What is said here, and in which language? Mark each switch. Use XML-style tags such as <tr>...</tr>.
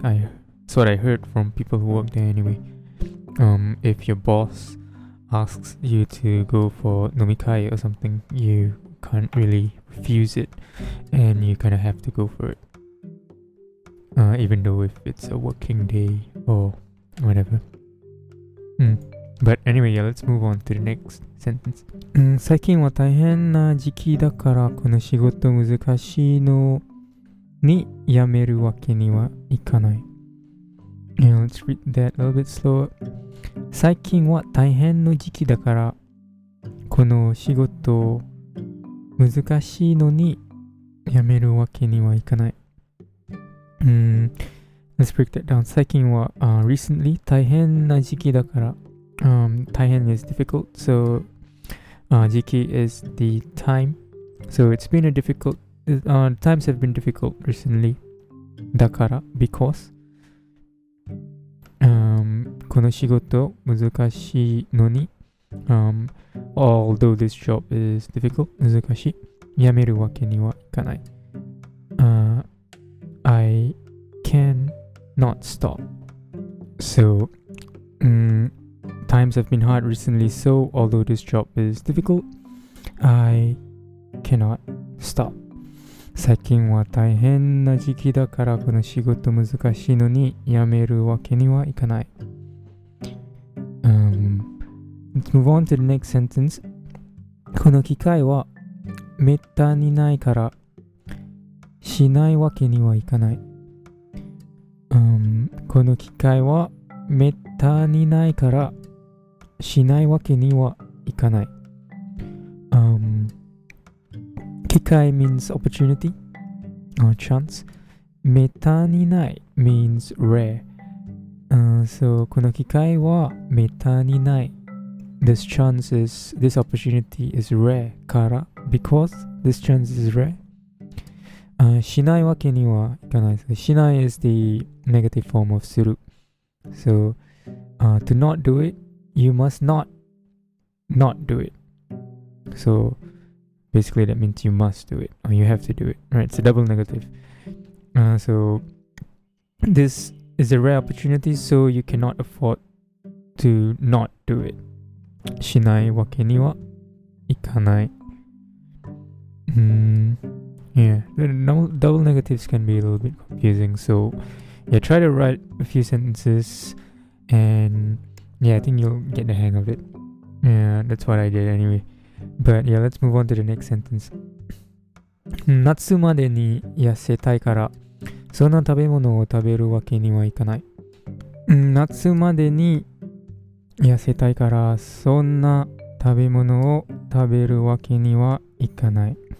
<en>That's what I heard from people who work there anyway. If your boss asks you to go for nomikai or something, you can't really refuse it and you kind of have to go for it. Even though if it's a working day or whatever. But anyway, yeah, let's move on to the next sentence.</en> <ja>最近は大変な時期だからこの仕事難しいのに辞めるわけにはいかない。</ja> <en>Yeah, let's read that a little bit slower.</en> <ja>最近は大変の時期だからこの仕事難しいのに辞めるわけにはいかない。</ja> <en>Let's break that down.</en> <ja>最近は</ja> <en>recently</en> <ja>大変な時期だから大変</ja> <en>is difficult, so</en> <ja>時期</ja> <en>is the time, so it's been a difficult times have been difficult recently.</en> <ja>だから</ja> <en>because</en> <ja>この仕事難しいのに</ja> <en>although this job is difficult</en> <ja>難しい辞めるわけにはいかない。</ja> <en>I can not stop. So, times have been hard recently, so although this job is difficult, I cannot stop.</en> <ja>最近は大変な時期だからこの仕事難しいのに辞めるわけにはいかない。</ja> <en>Let's move on to the next sentence.</en> <ja>この機会はめったにないからしないわけにはいかない。この機会はめったにないからしないわけにはいかない。</ja> <en>Kikai means opportunity or chance. Meta ni nai means rare. So</en> <ja>この Kikai wa meta ni nai.</ja> <en>This chance is, this opportunity is rare</en> <ja>から</ja> <en>because this chance is rare.</en> <ja>しないわけにはいかない。しない</ja> <en>is the negative form of</en> <ja>する。</ja> <en>So, to not do it, you must not do it. So, basically that means you must do it, or you have to do it, right? It's a double negative. So, this is a rare opportunity, so you cannot afford to not do it.</en> <ja>しないわけにはいかない。</ja> <en>Yeah, double negatives can be a little bit confusing, so yeah, try to write a few sentences and yeah, I think you'll get the hang of it. Yeah, that's what I did anyway. But yeah, let's move on to the next sentence.</en> <ja>夏までに痩せたいから、そんな食べ物を食べるわけにはいかない。夏までに痩せたいから、そんな食べ物を食べるわけにはいかない。</ja>